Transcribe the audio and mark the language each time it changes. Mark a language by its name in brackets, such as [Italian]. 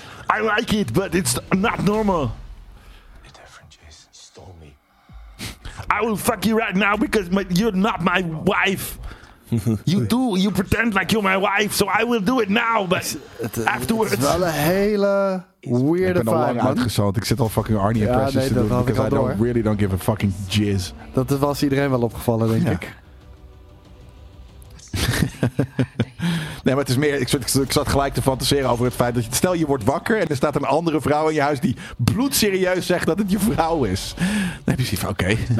[English] I like it, but it's not normal. I will fuck you right now because you're not my wife. You do. You pretend like you're my wife. So I will do it now. But afterwards. [Dutch] Het is wel een hele weirde vibe. Ik ben al lang uitgezond. Ik zit al fucking Arnie impressions te doen. [English] Because I don't really don't give a fucking jizz. [Dutch] Dat was iedereen wel opgevallen, denk ik. Nee, maar het is meer. Ik zat gelijk te fantaseren over het feit dat stel je wordt wakker en er staat een andere vrouw in je huis die bloedserieus zegt dat het je vrouw is. Dan heb je zoiets van oké.